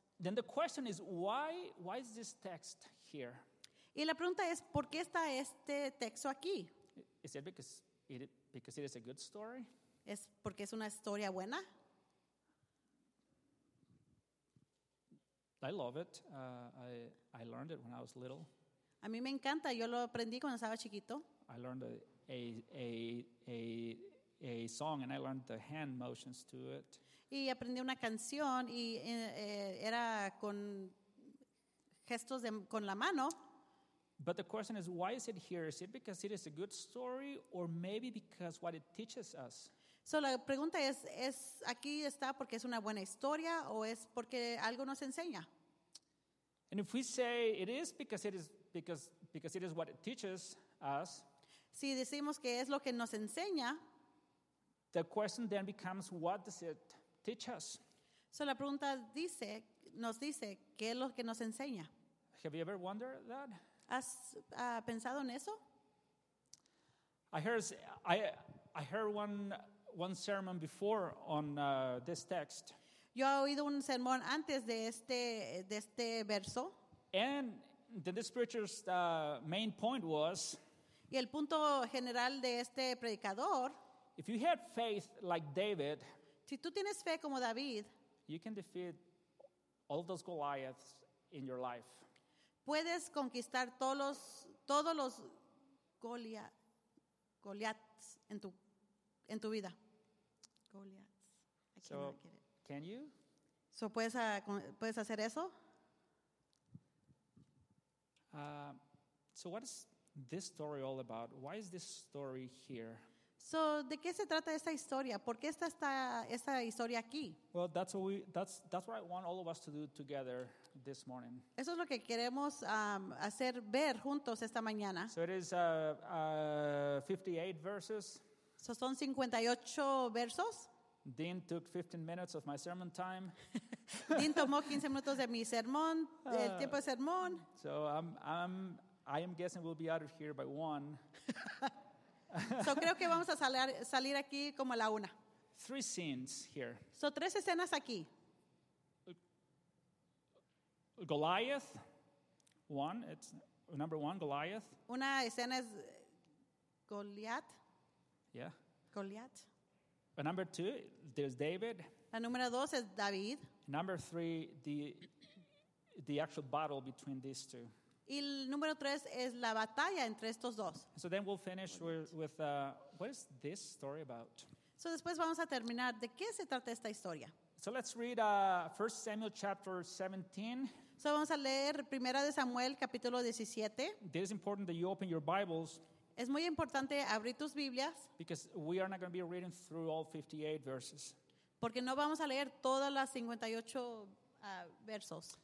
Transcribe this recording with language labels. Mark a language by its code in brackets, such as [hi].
[en] Then the question is, why is this text here? [es] Y la pregunta es, ¿por qué está este texto aquí? [en] Is it because it is a good story? [es] ¿Es porque es una historia buena? [en] I love it. I learned it when I was little. [es] A mí me encanta. Yo lo aprendí cuando estaba chiquito. [en] I learned a song and I learned the hand motions to it. [es] Y aprendí una canción y era con gestos con la mano. [en] But the question is, why is it here? Is it because it is a good story or maybe because what it teaches us? [es] So la pregunta es aquí está porque es una buena historia o es porque algo nos enseña. [en] And if we say it is because it is because it is what it teaches us, [es] si decimos que es lo que nos enseña, [en] the question then becomes, what does it teach us? [es] So la pregunta nos dice qué es lo que nos enseña. [en] Have you ever wondered that? [es] ¿Has pensado en eso? [en] I heard one sermon before on this text. [es] Yo he oído un sermón antes de este verso. [en] And then the preacher's main point was. [es] Y el punto general de este predicador. [en] If you had faith like David. [es] Si tú tienes fe como David. [en] You can defeat all those Goliaths in your life. [es] Puedes conquistar todos los Goliaths en tu vida. [en] Goliaths. So [es] puedes hacer eso. [en] So what is this story all about? Why is this story here? [es] So ¿de qué se trata esta historia? ¿Por qué está esta historia aquí? [en] Well, that's what I want all of us to do together this morning. [es] Eso es lo que queremos hacer ver juntos esta mañana. [en] So it is 58 verses. [es] So son 58 versos. [en] Dean took 15 minutes of my sermon time. [es] Dean tomó 15 minutos de mi sermón, del tiempo de sermón. [en] So I am guessing we'll be out of here by 1. [es] So creo que vamos a salir aquí como a la 1. [en] 3 scenes here. [es] So tres escenas aquí. [en] Goliath, 1, it's number 1, Goliath. [es] Una escena es Goliath. [en] Yeah. Goliath. But number 2, there's David. [es] La número 2 es David. [en] Number 3, the actual battle between these two. [es] Y el número 3 es la batalla entre estos dos. [en] So then we'll finish with what is this story about? [es] So después vamos a terminar, ¿de qué se trata esta historia? [en] So let's read 1 Samuel chapter 17. [es] So vamos a leer Primera de Samuel capítulo 17. [en] It is important that you open your Bibles. [es] Es muy importante abrir tus Biblias. [en] Because we are not going to be reading through all 58 verses. [es] Porque no vamos a leer todas las 58 versos.